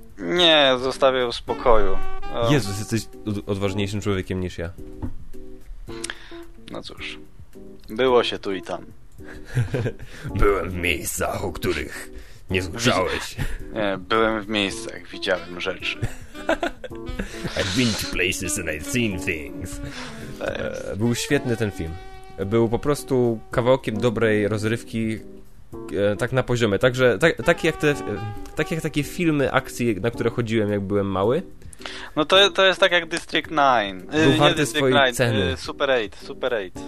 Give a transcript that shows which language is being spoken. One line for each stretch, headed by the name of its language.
Polish: Nie, zostawię ją w spokoju. Jezus, jesteś odważniejszym człowiekiem niż ja. No cóż, było się tu i tam. Byłem w miejscach, o których nie słyszałeś. Nie, byłem w miejscach, widziałem rzeczy.
English: I've been to places and I've seen things.
Polish: Był świetny ten film. Był po prostu kawałkiem dobrej rozrywki, tak na poziomie. Także tak jak takie filmy akcji, na które chodziłem, jak byłem mały. No to jest tak jak District 9. Był warty swojej ceny. Super 8.